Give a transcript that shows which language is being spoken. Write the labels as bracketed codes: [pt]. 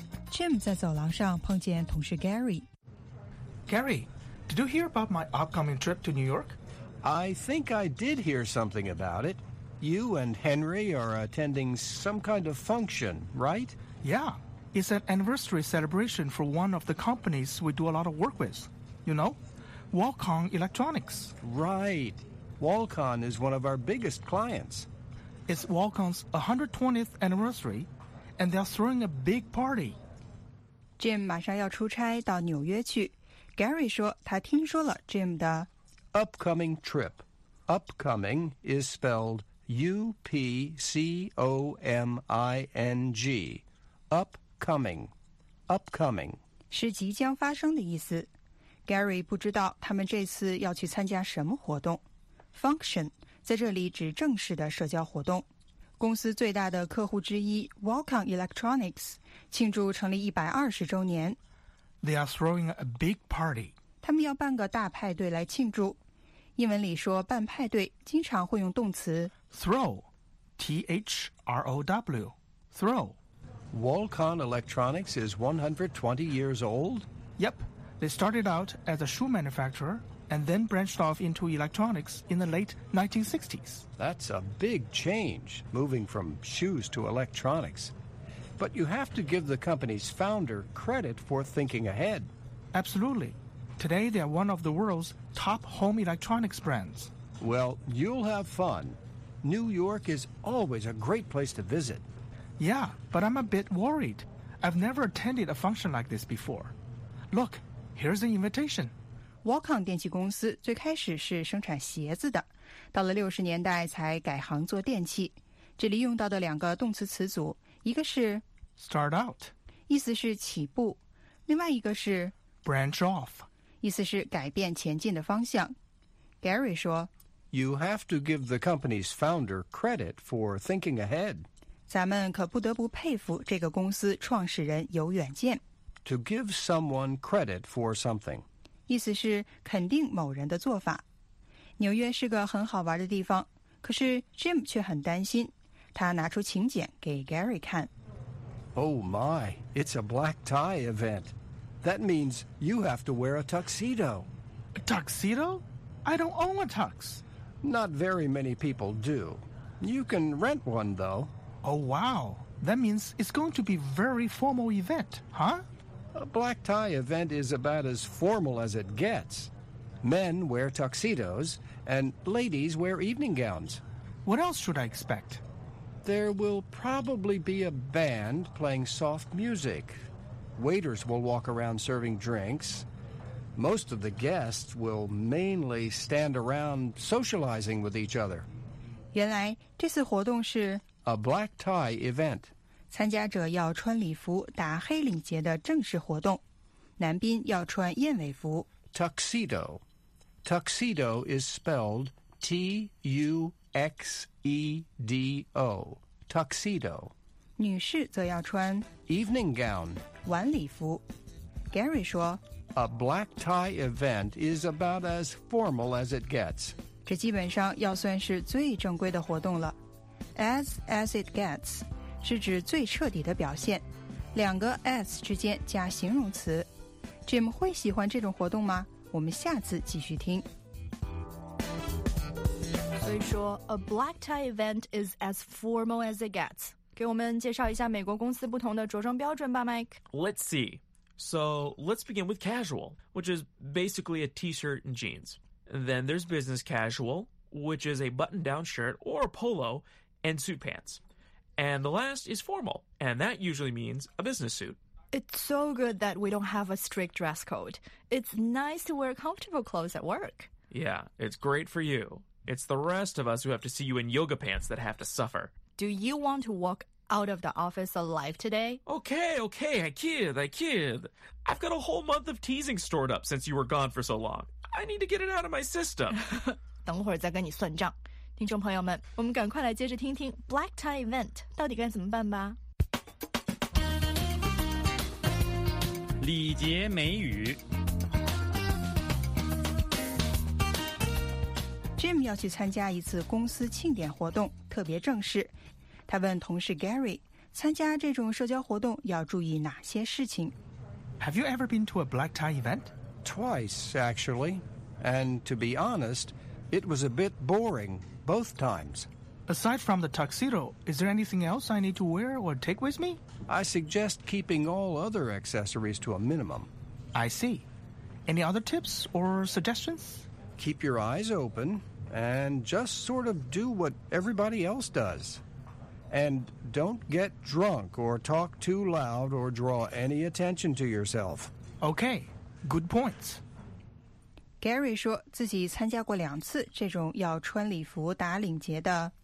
[zh] Jim 在走廊上碰见同事 Gary. [en] Gary, did you hear about my upcoming trip to New York? I think I did hear something about it. You and Henry are attending some kind of function, right? Yeah. It's an anniversary celebration for one of the companies we do a lot of work with. You know, Walcon Electronics. Right. Walcon is one of our biggest clients. It's Walcon's 120th anniversary, and they're throwing a big party. [zh] Jim 马上要出差到纽约去。Gary 说他听说了 Jim 的 [en] Upcoming trip. Upcoming is spelled U-P-C-O-M-I-N-G. Upcoming. Upcoming. [zh] 是即将发生的意思。 Gary 不知道他们这次要去参加什么活动。 Function 在这里指正式的社交活动。公司最大的客户之一 Walcon Electronics 庆祝成立120周年。 [en] They are throwing a big party. [zh] 他们要办个大派对来庆祝。英文里说办派对经常会用动词 [en] throw, T-H-R-O-W, throw. Walcon Electronics is 120 years old? Yep. They started out as a shoe manufacturer and then branched off into electronics in the late 1960s. That's a big change, moving from shoes to electronics. But you have to give the company's founder credit for thinking ahead. Absolutely. Today, they are one of the world's top home electronics brands. Well, you'll have fun. New York is always a great place to visit. Yeah, but I'm a bit worried. I've never attended a function like this before. Look, here's an invitation. [zh] Walcon 电器公司最开始是生产鞋子的，到了60年代才改行做电器。这里用到的两个动词词组，一个是 [en] start out， [zh] 意思是起步，另外一个是 [en] branch off， [zh] 意思是改变前进的方向。 Gary 说， [en] You have to give the company's founder credit for thinking ahead. [zh] 咱们可不得不佩服这个公司创始人有远见。 [en] To give someone credit for something. [zh] 意思是肯定某人的做法。纽约是个很好玩的地方，可是 Jim 却很担心。他拿出请柬给 Gary 看。 [en] Oh my, it's a black tie event. That means you have to wear a tuxedo. A tuxedo? I don't own a tux. Not very many people do. You can rent one, though. Oh, wow. That means it's going to be a very formal event, huh? A black tie event is about as formal as it gets. Men wear tuxedos, and ladies wear evening gowns. What else should I expect? There will probably be a band playing soft music. Waiters will walk around serving drinks. Most of the guests will mainly stand around socializing with each other. [zh] 原来这次活动是 [en] a black tie event. [zh] 参加者要穿礼服打黑领结的正式活动，男宾要穿燕尾服。 [en] Tuxedo. Tuxedo is spelled T-U-X-E-D-O. Tuxedo. [zh] 女士则要穿 [en] evening gown. [zh] 晚礼服。Gary 说 [en] A black tie event is about as formal as it gets. [zh] 这基本上要算是最正规的活动了。 [en] As it gets [zh] 是指最彻底的表现，两个 as 之间加形容词。 Jim 会喜欢这种活动吗？我们下次继续听。所以说 [en] ，A black tie event is as formal as it gets. [zh] 给我们介绍一下美国公司不同的着装标准吧 ，Mike. [en] Let's see. So let's begin with casual, which is basically a t-shirt and jeans. Then there's business casual, which is a button-down shirt or a polo and suit pants. And the last is formal, and that usually means a business suit. It's so good that we don't have a strict dress code. It's nice to wear comfortable clothes at work. Yeah, it's great for you. It's the rest of us who have to see you in yoga pants that have to suffer. Do you want to walk out of the office alive today? Okay, I kid. I've got a whole month of teasing stored up since you were gone for so long. I need to get it out of my system. [zh] 等会儿再跟你算账。听众朋友们，我们赶快来接着听听 [en] Black Tie Event [zh] 到底该怎么办吧。礼节美语。 Jim 要去参加一次公司庆典活动，特别正式。他问同事 Gary， 参加这种社交活动要注意哪些事情 [en] ？Have you ever been to a black tie event? Twice, actually. And to be honest, it was a bit boring both times. Aside from the tuxedo, is there anything else I need to wear or take with me? I suggest keeping all other accessories to a minimum. I see. Any other tips or suggestions? Keep your eyes open and just sort of do what everybody else does. And don't get drunk or talk too loud or draw any attention to yourself. Okay, good points. [zh] Gary 说自己参加过两次这种要穿礼服打领结的